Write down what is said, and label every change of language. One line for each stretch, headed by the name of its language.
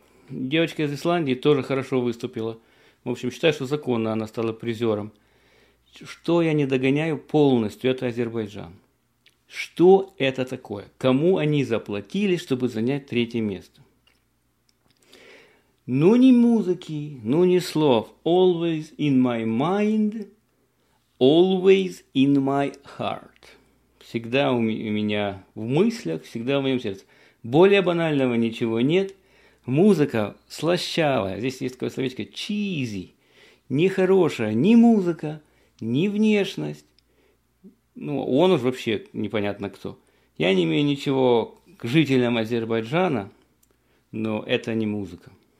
Russian: Девочка из Исландии тоже хорошо выступила. В общем, считаю, что законно она стала призером. Что я не догоняю полностью, это Азербайджан. Что это такое? Кому они заплатили, чтобы занять 3-е место? Ну, ни музыки, ну, ни слов.
English: Always in my mind, always in my heart.
Russian: Всегда у меня в мыслях, всегда в моем сердце. Более банального ничего нет. Музыка слащавая. Здесь есть такое словечко cheesy. Нехорошая ни музыка, ни внешность. Ну, он уж вообще непонятно кто. Я не имею ничего к жителям Азербайджана, но это не музыка.